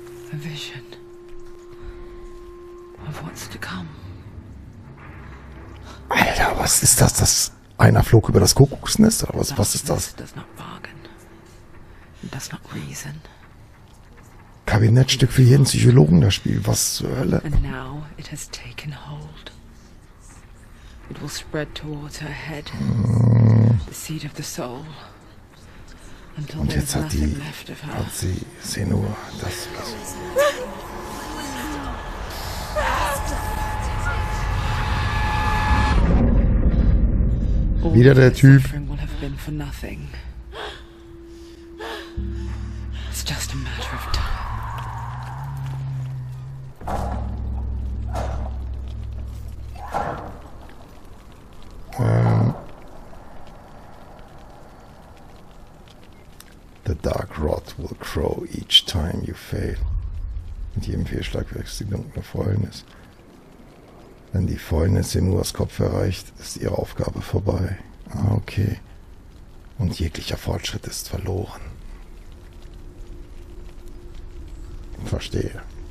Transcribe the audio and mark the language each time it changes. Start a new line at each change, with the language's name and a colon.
English: A vision of what's to come.
German: Alter, was ist das? Das einer flog über das Kuckucksnest? Oder was ist das?
English: Does not bargain. Does not reason.
German: Kabinettstück für jeden Psychologen, das Spiel. Was zur Hölle?
English: And now it has taken hold. It will spread towards her head, the seat of the soul, until there is nothing left of her.
German: Und jetzt hat sie nur das. Wieder der Typ.
English: Will have been for nothing. It's just a matter of time. The dark rot will grow each time you fail.
German: Mit jedem Fehlschlag wächst die dunkle Fäulnis. Wenn die Fäulnis Senuas Kopf erreicht, ist ihre Aufgabe vorbei. Ah, okay. Und jeglicher Fortschritt ist verloren. Verstehe.